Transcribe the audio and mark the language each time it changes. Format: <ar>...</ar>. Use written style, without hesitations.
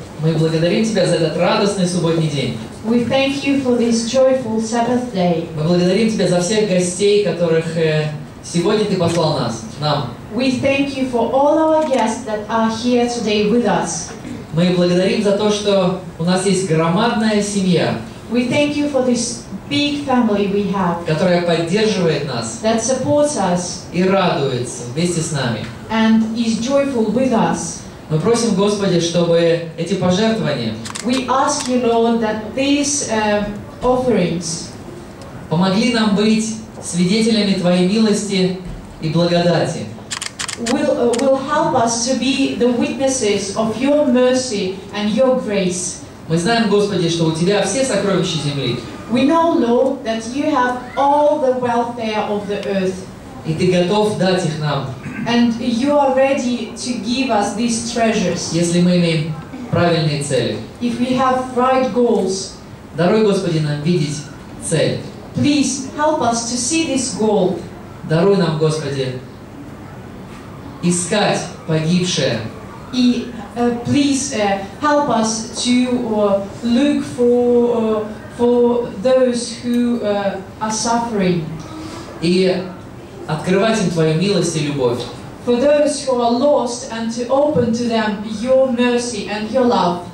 <ru>Мы благодарим Тебя за этот радостный субботний день.</ru> <en>We thank you for this joyful Sabbath day.</en> <ru>Мы благодарим Тебя за всех гостей, которых сегодня Ты послал нас, нам.</ru> <en>We thank you for all our guests that are here today with us.</en> <ru>Мы благодарим за то, что у нас есть громадная семья.</ru> <en>We thank you for this big family we have,</en> <ru>которая поддерживает нас,</ru> <en>that supports us,</en> <ru>и радуется вместе с нами,</ru> <en>and is joyful with us.</en> <ru>Мы просим Господи, чтобы эти пожертвования,</ru> <en>we ask you, Lord, that these offerings,</en> <ru>помогли нам быть свидетелями Твоей милости и благодати.</ru> <en>Will help us to be the witnesses of your mercy and your grace.</en> <ru>Мы знаем, Господи, что у Тебя все сокровища земли.</ru> <en>We know, Lord, that you have all the wealth there of the earth.</en> <ru>И Ты готов дать их нам.</ru> <en>And you are ready to give us these treasures.</en> <ru>Если мы имеем правильные цели.</ru> <en>If we have right goals.</en> <ru>Даруй, Господи, нам видеть цель.</ru> <en>Please help us to see this goal.</en> <ru>Даруй нам, Господи, искать погибшее.</ru> <en>И please help us to look for those who are suffering.</en> <ru>И открывать им Твою милость и любовь.</ru> <en>For those who are lost and to open to them your mercy and your love.</en>